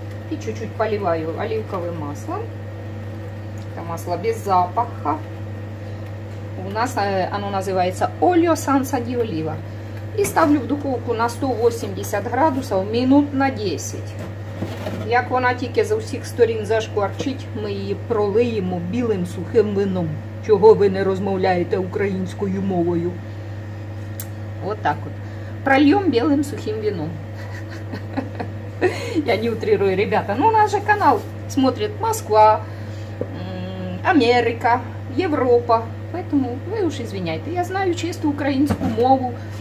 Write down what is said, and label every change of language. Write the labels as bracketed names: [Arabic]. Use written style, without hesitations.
[Russian] И чуть-чуть поливаю оливковым маслом. Это масло без запаха. У нас оно называется [Italian] Olio Senza di Oliva. [Russian] И ставлю в духовку на 180 градусов минут на 10. [Ukrainian] Як вона тільки за усіх сторін зашкварчить, ми її пролиємо білим сухим вином. Чого ви не розмовляєте українською мовою? От так от. Прольем білим сухим вином. [Russian] Я не утрирую, ребята. Ну, наш же канал смотрит Москва, Америка, Европа. Поэтому вы уж извиняйте. [Ukrainian] Я знаю чисту українську мову.